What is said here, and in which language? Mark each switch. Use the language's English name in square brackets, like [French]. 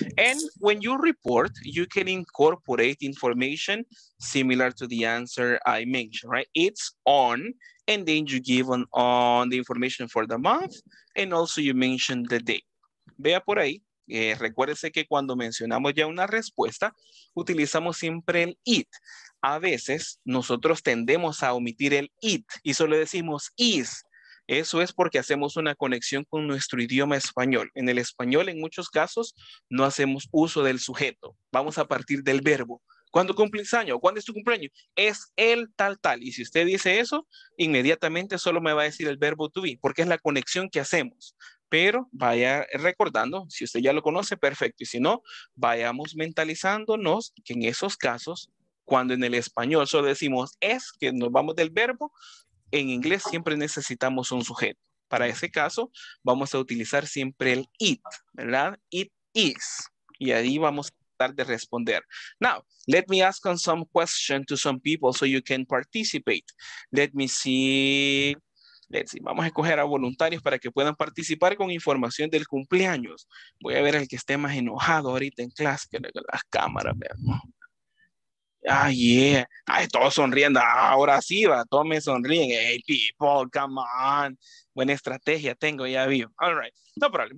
[English] And when you report, you can incorporate information similar to the answer I mentioned, right? It's on, and then you give on the information for the month, and also you mention the day. [Spanish] Vea por ahí. Recuérdese que cuando mencionamos ya una respuesta, utilizamos siempre el it. A veces, nosotros tendemos a omitir el it, y solo decimos is. Eso es porque hacemos una conexión con nuestro idioma español. En el español, en muchos casos, no hacemos uso del sujeto. Vamos a partir del verbo. ¿Cuándo cumples año? ¿Cuándo es tu cumpleaños? Es el tal tal. Y si usted dice eso, inmediatamente solo me va a decir el verbo to be, porque es la conexión que hacemos. Pero vaya recordando, si usted ya lo conoce, perfecto. Y si no, vayamos mentalizándonos que en esos casos, cuando en el español solo decimos es, que nos vamos del verbo, en inglés siempre necesitamos un sujeto. Para ese caso, vamos a utilizar siempre el it, ¿verdad? [English] It is. [Spanish] Y ahí vamos a tratar de responder. [English] Now, let me ask on some question to some people so you can participate. Let me see. Let's see. [Spanish] Vamos a escoger a voluntarios para que puedan participar con información del cumpleaños. Voy a ver al que esté más enojado ahorita en clase, que las cámaras, veamos. Ah, yeah. Ay, todos sonriendo. Ahora sí, va. Todos me sonríen. [English] Hey, people, come on. [Spanish] Buena estrategia tengo, ya vivo. [English] All right. No problem.